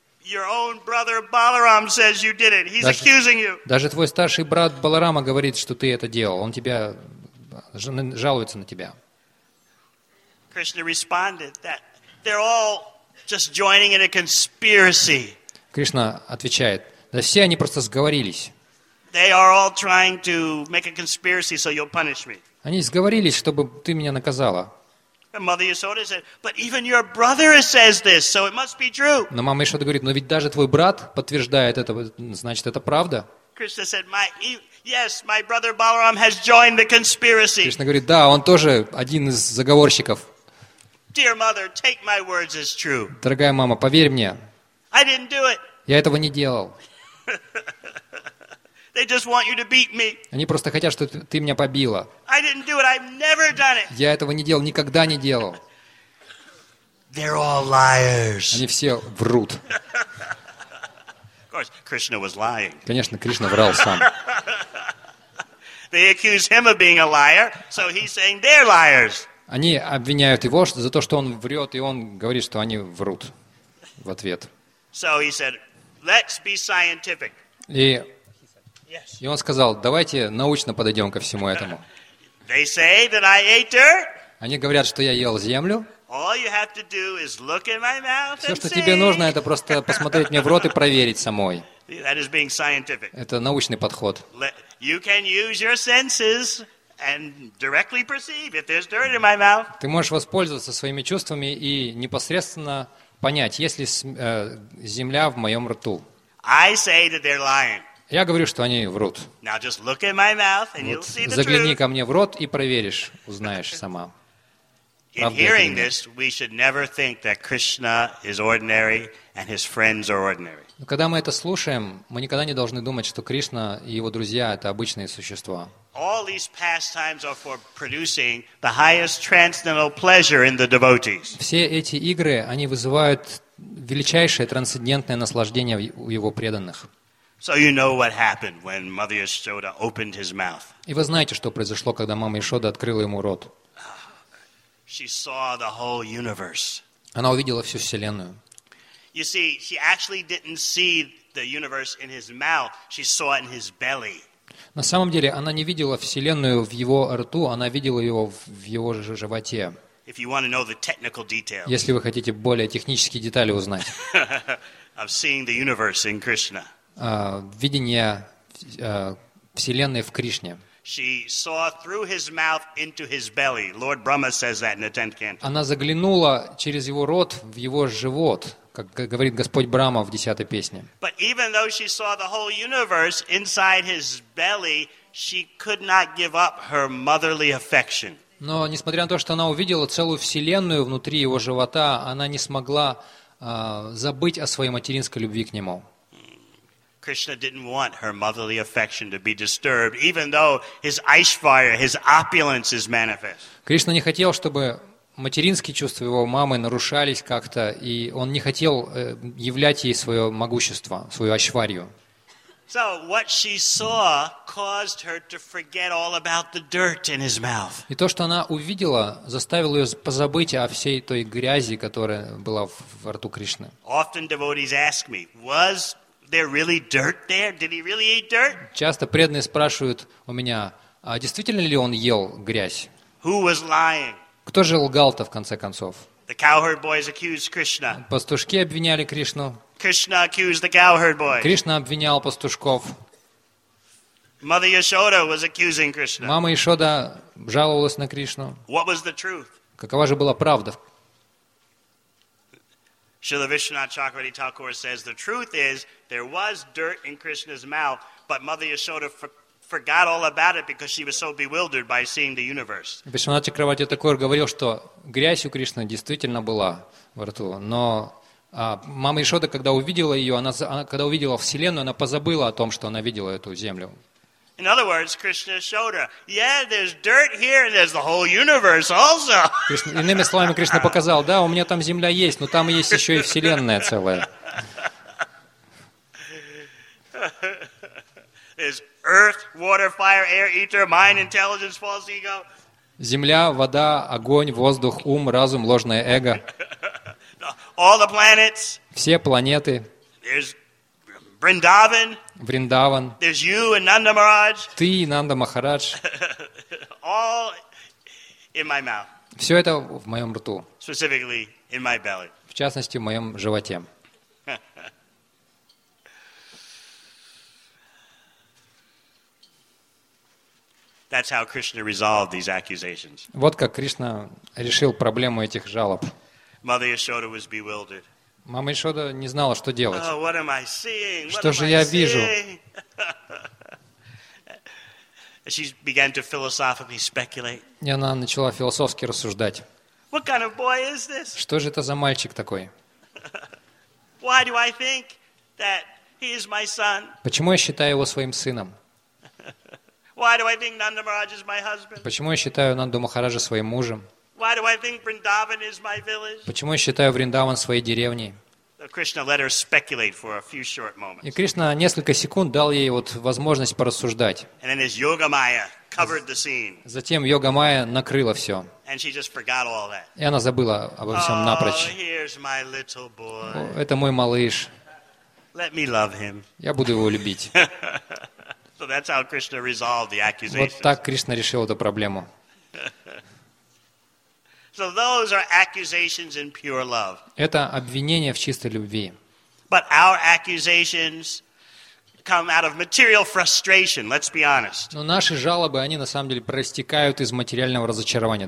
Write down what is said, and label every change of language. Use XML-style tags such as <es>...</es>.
<en>Your own brother Balaram says you did it. He's accusing you.</en> <ru>Даже твой старший брат Баларама говорит, что ты это делал. Он тебя жалуется на тебя.</ru> <en>Krishna responded that they're all just joining in a conspiracy.</en> <ru>Кришна отвечает: "Да все они просто сговорились."</ru> <en>They are all trying to make a conspiracy so you'll punish me.</en> <ru>Они сговорились, чтобы ты меня наказала.</ru> <en>And Mother Yashoda said, "But even your brother says this, so it must be true."</en> <ru>Но мама Яшода говорит: "Но ведь даже твой брат подтверждает это, значит, это правда."</ru> <en>Krishna said, "My brother Balaram has joined the conspiracy."</en> <ru>Кришна говорит: "Да, он тоже один из заговорщиков."</ru> <en>Dear mother, take my words as true.</en> <ru>Дорогая мама, поверь мне.</ru> <en>I didn't do it.</en> <ru>Я этого не делал.</ru> <en>They just want you to beat me.</en> <ru>Они просто хотят, чтобы ты меня побила.</ru> <en>I didn't do it. I've never done it.</en> <ru>Я этого не делал, никогда не делал.</ru> <en>They're all liars.</en> <ru>Они все врут.</ru> <en>Of course, Krishna was lying.</en> <ru>Конечно, Кришна врал сам.</ru> <en>They accuse him of being a liar, so he's saying they're liars.</en> <ru>Они обвиняют его за то, что он врет, и он говорит, что они врут в ответ.</ru> <en>So he said, let's be scientific.</en> <ru>И он сказал, давайте научно подойдем ко всему этому.</ru> <en>They say that I ate dirt.</en> <ru>Они говорят, что я ел землю.</ru> <en>All you have to do is look in my mouth and</en> <ru>Все, что тебе нужно, это просто посмотреть мне в рот и проверить самой.</ru> <en>That is being scientific.</en> <ru>Это научный подход.</ru> <en>You can use your senses and directly perceive if there's dirt in my mouth.</en> <ru>Ты можешь воспользоваться своими чувствами и непосредственно понять, есть ли земля в моем рту.</ru> <en>I say that they're lying.</en> <ru>Я говорю, что они врут.</ru> <en>Now just look in my mouth and you'll see the</en> <ru>загляни</ru> <en>truth.</en> <ru>Ко мне в рот и проверишь, узнаешь сама.</ru> <en>In hearing this, we should never think that Krishna is ordinary and his friends are ordinary.</en> <ru>Когда мы это слушаем, мы никогда не должны думать, что Кришна и его друзья — это обычные существа.</ru> <en>All these pastimes are for producing the highest transcendental pleasure in the devotees.</en> <ru>Все эти игры, они вызывают величайшее трансцендентное наслаждение у его преданных.</ru> <en>So you know what happened when Mother Yashoda opened his mouth.</en> <ru>И вы знаете, что произошло, когда мама Яшода открыла ему рот.</ru> <en>She saw the whole universe.</en> <ru>Она увидела всю вселенную.</ru> <en>You see, she actually didn't see the universe in his mouth. She saw it in his belly.</en> <ru>На самом деле, она не видела вселенную в его рту, она видела ее в его же животе.</ru> <en>If you want to know the technical details.</en> <ru>Если вы хотите более технические детали узнать.</ru> <en>Of seeing the universe in Krishna.</en> <ru>Видение вселенной в Кришне.</ru> <en>She saw through his mouth into his belly. Lord Brahma says that in the 10th canto.</en> <ru>Она заглянула через его рот в его живот, как говорит Господь Брама в 10-й песне.</ru> <en>But even though she saw the whole universe inside his belly, she could not give up her motherly affection.</en> <ru>Но несмотря на то, что она увидела целую вселенную внутри его живота, она не смогла забыть о своей материнской любви к нему.</ru> <en>Krishna didn't want her motherly affection to be disturbed, even though his Aishvarya, his opulence is manifest.</en> <ru>Кришна не хотел, чтобы материнские чувства его мамы нарушались как-то, и он не хотел являть ей свое могущество, свою Айшварью.</ru> <en>So what she saw caused her to forget all about the dirt in his mouth.</en> <ru>И то, что она увидела, заставило ее позабыть о всей той грязи, которая была в рту Кришны.</ru> <en>Often devotees ask me, was there really dirt there? Did he really eat dirt?</en> <ru>Часто преданные спрашивают у меня, а действительно ли он ел грязь?</ru> <en>Who was lying?</en> <ru>Кто же лгал-то в конце концов?</ru> <en>The cowherd boys accused Krishna.</en> <ru>Пастушки обвиняли Кришну.</ru> <en>Krishna accused the cowherd boys.</en> <ru>Кришна обвинял пастушков.</ru> <en>Mother Yashoda was accusing Krishna.</en> <ru>Мама Яшода жаловалась на Кришну.</ru> <en>What was the truth?</en> <ru>Какова же была правда?</ru> <en>Srila Vishwanath Chakravarti Thakur says the truth is there was dirt in Krishna's mouth, but Mother Yashoda forgot all about it because she was so bewildered by seeing the universe.</en> <ru>Vishwanath Chakravarti Thakur говорил, что грязь у Кришны действительно была во рту, но мама Яшода, когда увидела ее, когда увидела вселенную, она позабыла о том, что она видела эту землю.</ru> <en>In other words, Krishna showed her, yeah, there's dirt here, and there's the whole universe also.</en> <ru>Иными словами, Кришна показал, да, у меня там земля есть, но там есть еще и вселенная целая.</ru> <en>There's earth, water, fire, air, ether, mind, intelligence, false ego.</en> <ru>Земля, вода, огонь, воздух, ум, разум, ложное эго.</ru> <en>All the planets.</en> <ru>Все планеты.</ru> <en>There's Vrindavan.</en> <ru>Vrindavan.</ru> <en>There's you and Nanda Maharaj.</en> <ru>Ты и Нанда Махарадж.</ru> <en>All in my mouth.</en> <ru>Все это в моем рту.</ru> <en>Specifically in my belly.</en> <ru>В частности, в моем животе.</ru> <en>That's how Krishna resolved these accusations.</en> <ru>Вот как Кришна решил проблему этих жалоб.</ru> <en>Mother Yashoda was bewildered.</en> <ru>Мама Яшода не знала, что делать.</ru> <en>Oh, what am I seeing?</en> <ru>Что</ru> <en>what</en> <ru>же</ru> <en>am</en> <ru>я вижу?</ru> <en>She began to philosophically speculate.</en> <ru>И она начала философски рассуждать.</ru> <en>What kind of boy is this?</en> <ru>Что же это за мальчик такой?</ru> <en>Why do I think that he is my son?</en> <ru>Почему я считаю его своим сыном?</ru> <en>Why do I think Nanda Maharaj is my husband?</en> <ru>Почему я считаю Нанду Махараджа своим мужем?</ru> <en>Why do I think Vrindavan is my village?</en> <ru>Почему я считаю Вриндаван своей деревней?</ru> <en>Krishna let her speculate for a few short moments.</en> <ru>И Кришна несколько секунд дал ей вот возможность порассуждать.</ru> <en>And then his yoga maya covered the scene.</en> <ru>Затем йога майя накрыла всё.</ru> <en>And she just forgot all that.</en> <ru>И она забыла обо всём напрочь.</ru> <en>Oh, here's my little boy.</en> <ru>Это мой малыш.</ru> <en>Let me love him.</en> <ru>Я буду его любить.</ru> <en>So that's how Krishna resolved the accusation.</en> <ru>Вот так Кришна решил эту проблему.</ru> <en>So those are accusations in pure love.</en> <ru>Это обвинения в чистой любви.</ru> <en>But our accusations come out of material frustration, let's be honest.</en> <ru>Но наши жалобы, они на самом деле проистекают из материального разочарования.</ru>